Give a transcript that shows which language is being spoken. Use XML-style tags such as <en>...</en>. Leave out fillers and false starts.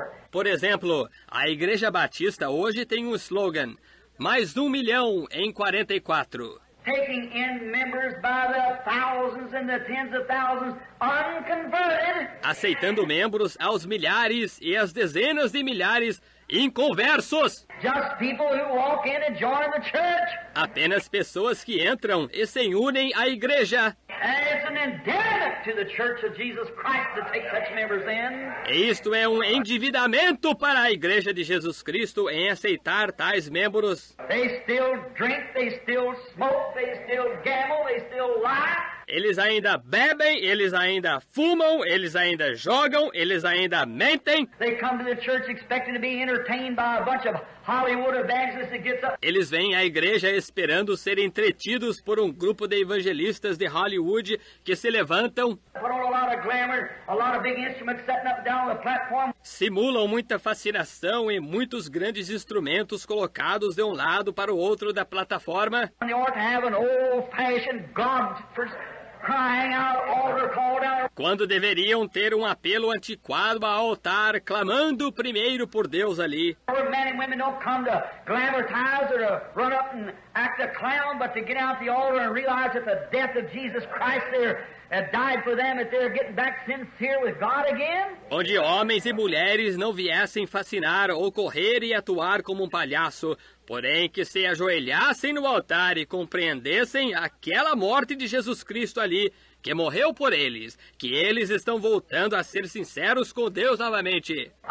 <pt>Por exemplo, a Igreja Batista hoje tem um slogan, mais 1 milhão em 44.</pt> <en>Taking in members by the thousands and the tens of thousands, unconverted.</en> <pt>Aceitando membros aos milhares e às dezenas de milhares inconversos.</pt> <en>Just people who walk in and join the church.</en> <pt>Apenas pessoas que entram e se unem à igreja.</pt> <en>And it's an indebtedness to the Church of Jesus Christ to take such members in.</en> <pt>Isto é um endividamento para a Igreja de Jesus Cristo em aceitar tais membros.</pt> <en>They still drink, they still smoke, they still gamble, they still lie.</en> <pt>Eles ainda bebem, eles ainda fumam, eles ainda jogam, eles ainda mentem.</pt> <en>They come to the church expecting to be entertained by a bunch of Hollywood evangelists that gets up.</en> <pt>Eles vêm à igreja esperando ser entretidos por um grupo de evangelistas de Hollywood que se levantam.</pt> <en>Put on a lot of glamour, a lot of big instruments setting up down the platform.</en> <pt>Simulam muita fascinação e muitos grandes instrumentos colocados de um lado para o outro da plataforma.</pt> <en>And they ought to have an old-fashioned God for crying out, altar call down.</en> <pt>Quando deveriam ter um apelo antiquado ao altar, clamando primeiro por Deus ali.</pt> <en>Men and women don't come to glamorize or to run up and act a clown, but to get out the altar and realize that the death of Jesus Christ there had died for them, that they're getting back sincere with God again.</en> <pt>Onde homens e mulheres não viessem fascinar ou correr e atuar como um palhaço, porém que se ajoelhassem no altar e compreendessem aquela morte de Jesus Cristo ali, que morreu por eles, que eles estão voltando a ser sinceros com Deus novamente.</pt>